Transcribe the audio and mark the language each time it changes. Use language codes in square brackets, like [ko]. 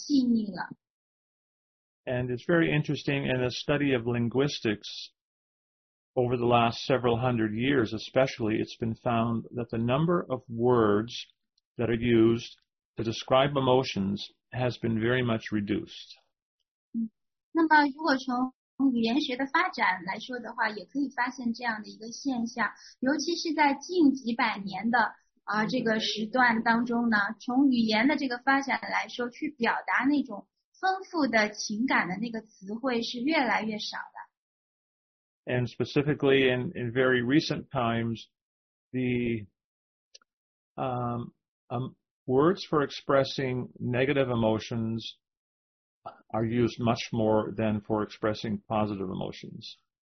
[zh] 那么在这个卡利年代呢，我们就是因为受到这种物质能量的这种很深的影响，所以使我们的这种情感就没有那么的细腻了。 [en] And it's very interesting in the study of linguistics. Over the last several hundred years, especially, it's been found that the number of words that are used to describe emotions has been very much reduced. [zh] 那么如果从语言学的发展来说的话，也可以发现这样的一个现象，尤其是在近几百年的这个时段当中呢，从语言的这个发展来说，去表达那种丰富的情感的那个词汇是越来越少的。 [en] And specifically in very recent times, the words for expressing negative emotions are used much more than for expressing positive emotions.